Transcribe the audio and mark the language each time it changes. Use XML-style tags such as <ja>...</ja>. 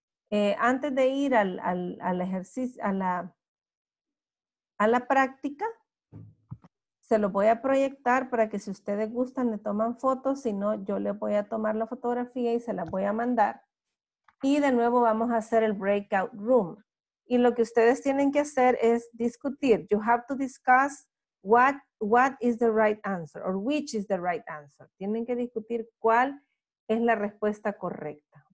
<es>Antes de ir al ejercicio, a la práctica, se lo voy a proyectar para que si ustedes gustan le toman fotos, si no, yo le voy a tomar la fotografía y se la voy a mandar. Y de nuevo vamos a hacer el breakout room. Y lo que ustedes tienen que hacer es discutir.</es> <en>You have to discuss what is the right answer or which is the right answer.</en> <es>Tienen que discutir cuál es la respuesta correcta.</es>